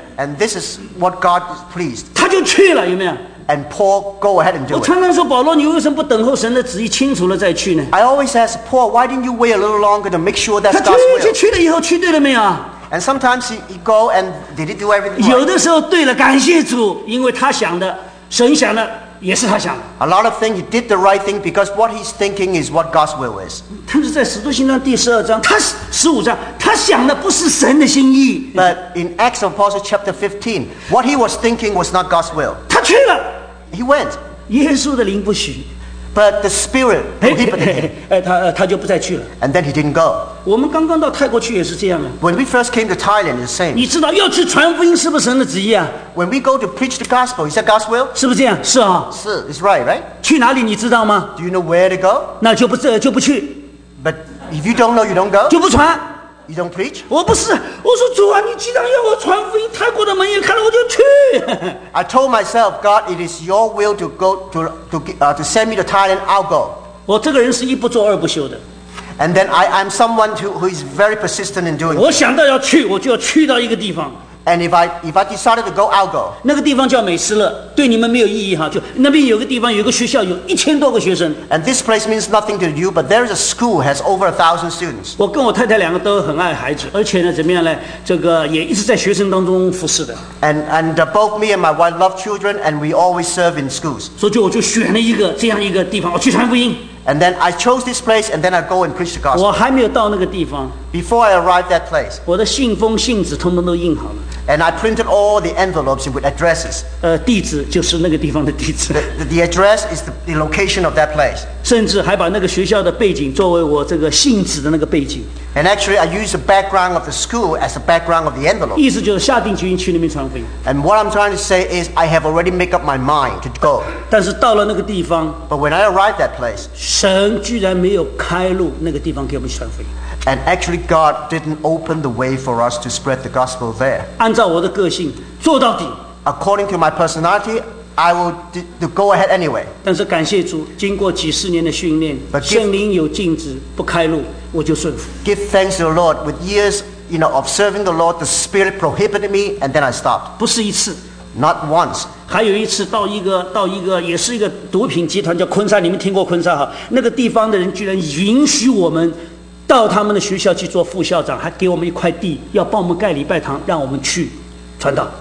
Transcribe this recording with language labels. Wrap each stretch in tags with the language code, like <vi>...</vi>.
<en>And this is what God is pleased.</en> <zh>他就去了，有没有？</zh> <en>And Paul, go ahead and do it.</en> <zh>我常常说保罗，你为什么不等候神的旨意清楚了再去呢</zh> <en>？I always ask Paul, why didn't you wait a little longer to make sure that God's will?</en> <zh>他去了以后，去对了没有</zh> <en>？And sometimes he go and did he do everything?</en> <zh>有的时候对了，感谢主，因为他想的，神想的。也是他想的。</zh> <en>A lot of things he did the right thing because what he's thinking is what God's will is.</en> <zh>但是在使徒行传第十二章，他十五章，他想的不是神的心意。</zh> <en>But in Acts of Apostles chapter 15, what he was thinking was not God's will.</en> <zh>他去了。</zh> <en>He went.</en> <zh>耶稣的灵不许。</zh> <en>But the spirit prohibited him.</en> <zh>他就不再去了。</zh> <en>And then he didn't go.</en> <zh>我们刚刚到泰国去也是这样啊。</zh> <en>When we first came to Thailand, it's the same.</en> <zh>你知道要去传福音是不是神的旨意啊？</zh> <en>When we go to preach the gospel, is that God's will?</en> <zh>是不是这样？是啊。是</zh> <en>，it's right, right?</en> <zh>去哪里你知道吗？</zh> <en>Do you know where to go?</en> <zh>那就不这就不去。</zh> <en>But if you don't know, you don't go.</en> <zh>就不传。</zh> <en>You don't preach?</en> <zh>我不是，我说主啊，你既然要我传福音，泰国的门也开了，我就去。</zh> <en>I told myself, God, it is your will to go to send me to Thailand. I'll go.</en> <zh>我这个人是一不做二不休的。</zh> <en>And then I'm someone who is very persistent in doing.</en> <zh>我想到要去，我就要去到一个地方。</zh> <en>And if I decided to go, I'll go.</en> <zh>那个地方叫美斯勒，对你们没有意义哈。就那边有个地方，有个学校，有一千多个学生。</zh> <en>And this place means nothing to you, but there is a school has over 1,000 students.</en> <zh>我跟我太太两个都很爱孩子，而且呢，怎么样呢？这个也一直在学生当中服侍的。</zh> <en>And both me and my wife love children, and we always serve in schools.</en> <zh>所以就我就选了一个这样一个地方，我去传福音。</zh> <en>And then I chose this place, and then I go and preach the gospel.</en> <zh>我还没有到那个地方。</zh> <en>Before I arrived that place,</en> <zh>我的信封、信纸通通都印好了。</zh> <en>And I printed all the envelopes with addresses.</en> <zh>地址就是那个地方的地址。</zh> <en>The address is the location of that place.</en> <zh>甚至还把那个学校的背景作为我这个信纸的那个背景。</zh> <en>And actually, I used the background of the school as the background of the envelope.</en> <zh>意思就是下定决心去那边传福音。</zh> <en>And what I'm trying to say is, I have already made up my mind to go.</en> <zh>但是到了那个地方。</zh> <en>But when I arrived that place,</en> <zh>神居然没有开路那个地方给我们传福音。</zh> <en>And actually, God didn't open the way for us to spread the gospel there.</en> <zh>按照我的个性，做到底。</zh> <en>According to my personality, I will go ahead anyway.</en> <zh>但是感谢主，经过几十年的训练，圣灵有禁止不开路，我就顺服。</zh> <en>Give thanks to the Lord. With years, you know, of serving the Lord, the Spirit prohibited me, and then I stopped.</en> <zh>不是一次。</zh> <en>Not once.</en> <zh>还有一次到一个也是一个毒品集团叫昆山，你们听过昆山哈？那个地方的人居然允许我们。到他们的学校去做副校长，还给我们一块地，要帮我们盖礼拜堂，让我们去传道。</zh>